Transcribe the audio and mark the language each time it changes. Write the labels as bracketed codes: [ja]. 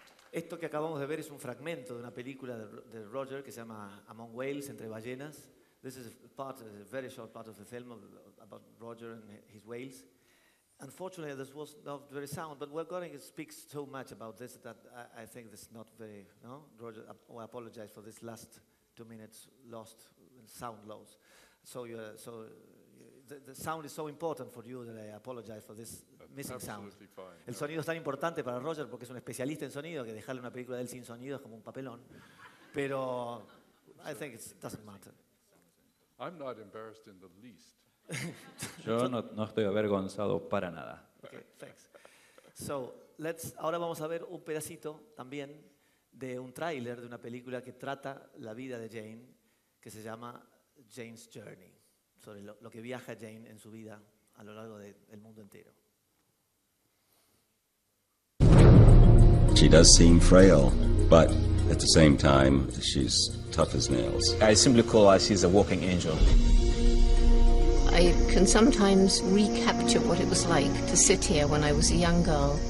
[es] Esto que acabamos de ver es un fragmento de una película de Roger que se llama Among Whales, Entre Ballenas. [en] This is a very short part of the film about Roger and his whales. Unfortunately, this was not very sound, but we're going to speak so much about this that I think this is not very, no? Roger, I apologize for this last 2 minutes lost sound loss. So the sound is so important for you that I apologize for this missing sound. [es] El sonido es tan importante para Roger porque es un especialista en sonido que dejarle una película de él sin sonido es como un papelón. Pero [en] I think it doesn't matter. I'm not embarrassed in the least. [es] Yo no estoy avergonzado para nada. [en] Okay, thanks. So, [es] ahora vamos a ver un pedacito también de un tráiler de una película que trata la vida de Jane, que se llama Jane's Journey, sobre lo que viaja Jane en su vida a lo largo del mundo entero. [en] She does seem frail, but at the same time, she's tough as nails. I simply call her, she's a walking angel. I can sometimes recapture what it was like to sit here when I was a young girl.